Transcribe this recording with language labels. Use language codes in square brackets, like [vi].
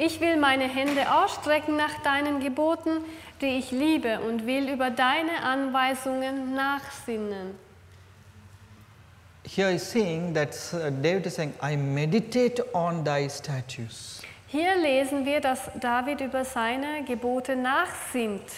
[de] Ich will meine Hände ausstrecken nach deinen Geboten, die ich liebe, und will über deine Anweisungen nachsinnen. [en] Here is saying that David is saying, I meditate on thy statutes. [de] Hier lesen wir, dass David über seine Gebote nachsinnt.